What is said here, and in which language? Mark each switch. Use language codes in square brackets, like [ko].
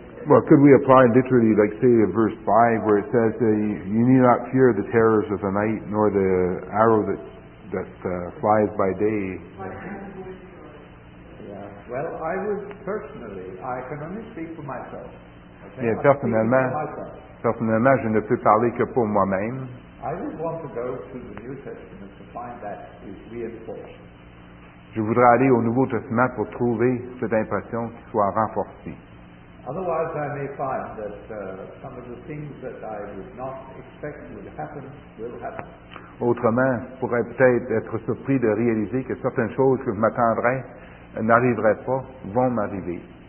[en] Well, could we apply literally, like say verse 5, where it says you need not fear the terrors of the night, nor the arrow that flies by day. Yeah. Well, I would personally, I can only speak for myself. Okay? [fr] Yeah, personnellement, je ne peux parler que pour moi-même. [en] I would want to go to the New Testament to find that is reinforced. [fr] Je voudrais aller au Nouveau Testament pour trouver cette impression qui soit renforcée. [en] Otherwise, I may find that some of the things that I would not expect would happen will happen. [fr] Autrement, je pourrais peut-être être surpris de réaliser que certaines choses que je m'attendrais n'arriveraient pas, vont m'arriver.